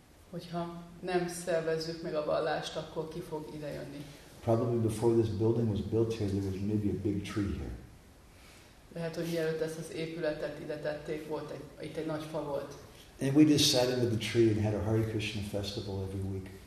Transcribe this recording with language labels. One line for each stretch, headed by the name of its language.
Hungarian: Hogyha nem szervezzük meg a vallást, akkor ki fog ide jönni?
English: Probably before this building was built here, there was maybe a big tree here.
Hungarian: Lehet, hogy mielőtt ezt az épületet ide tették, volt egy, itt egy nagy fa volt.
English: And we just sat under the tree and had a Hare Krishna festival every week.